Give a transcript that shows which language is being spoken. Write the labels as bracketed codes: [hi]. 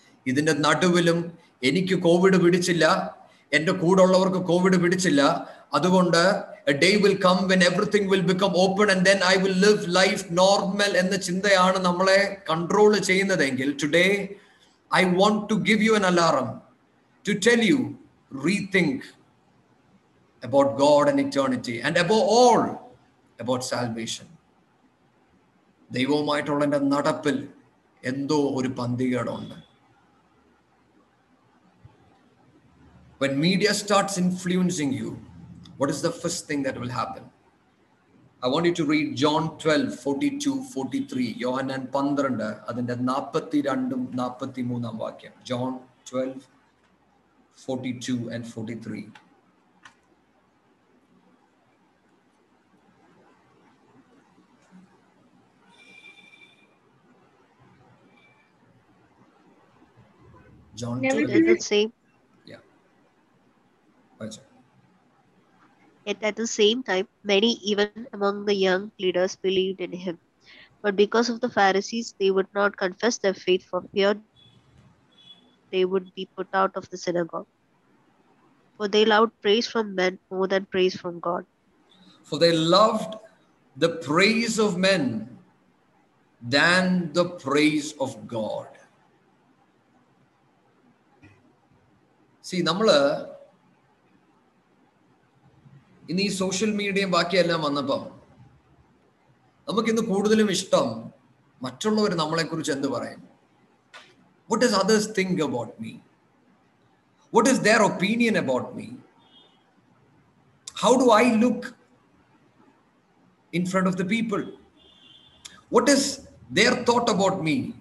[ml] ഇതിൻ്റെ നടുവിലും എനിക്ക് കോവിഡ് പിടിച്ചില്ല, എൻ്റെ കൂടെ ഉള്ളവർക്ക് കോവിഡ് പിടിച്ചില്ല, അതുകൊണ്ട് [en] a day will come when everything will become open and then I will live life normal [ml] എന്ന ചിന്തയാണ് നമ്മളെ കൺട്രോൾ ചെയ്യുന്നതെങ്കിൽ, [en] Today I want to give you an alarm to tell you rethink about God and eternity and above all about salvation. [ml] ദൈവവുമായിട്ടുള്ള എൻ്റെ നടപ്പിൽ എന്തോ ഒരു പന്തികേടുണ്ട്. [en] When media starts influencing you, what is the first thing that will happen? I want you to read John 12:42-43, [ml] യോഹന്നാൻ 12 അതിൻ്റെ 42-43 വാക്യം. [en] John 12:42-43. John Yet at the same time, many even among the young leaders believed in him. But because of the Pharisees, they would not confess their faith for fear they would be put out of the synagogue. For they loved praise from men more than praise from God. For they loved the praise of men than the praise of God. [ml] See, Namala, ഇനി ഈ social മീഡിയയും ബാക്കിയെല്ലാം വന്നപ്പോൾ നമുക്ക് ഇന്ന് കൂടുതലും ഇഷ്ടം മറ്റുള്ളവർ നമ്മളെ കുറിച്ച് എന്ത് പറയും. [en] What is others think about me, what is their opinion about me, how do I look in front of the people, what is their thought about me.